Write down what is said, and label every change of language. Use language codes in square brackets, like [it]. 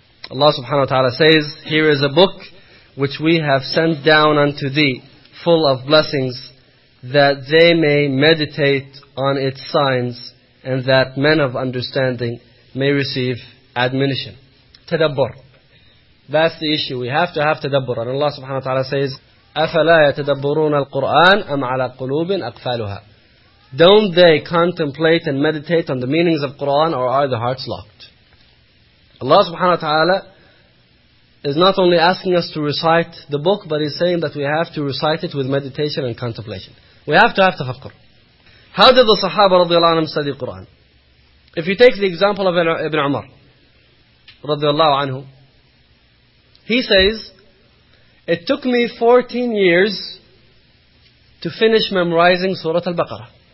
[en] Allah subhanahu wa ta'ala says, here is a book which we have sent down unto thee, full of blessings, that they may meditate on its signs, and that men of understanding may receive admonition. Tadabbur. That's the issue. We have to have tadabbur. And Allah subhanahu wa ta'ala says, [ar] أَفَلَا يَتَدَبُّرُونَ الْقُرْآنَ أَمْ عَلَىٰ قُلُوبٍ أَقْفَالُهَا. [en] Don't they contemplate and meditate on the meanings of Qur'an, or are the hearts locked? Allah subhanahu wa ta'ala is not only asking us to recite the book, but He's saying that we have to recite it with meditation and contemplation. We have to have tafakkur. How did the Sahaba radiallahu anhu study Qur'an? If you take the example of Ibn Umar radiallahu anhu, he says, it took me 14 years to finish memorizing Surah Al-Baqarah.